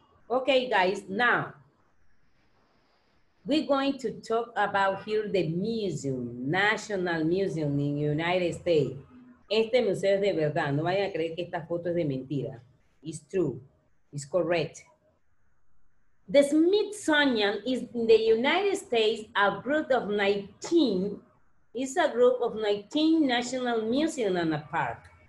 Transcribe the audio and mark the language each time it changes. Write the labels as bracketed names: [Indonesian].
[English] Okay, guys, now we're going to talk about here the museum, National Museum in the United States. [Spanish] Este museo es de verdad. No vayan a creer que esta foto es de mentira. [English] It's true. It's correct. The Smithsonian is in the United States a group of 19. It's a group of 19 national museums and a park.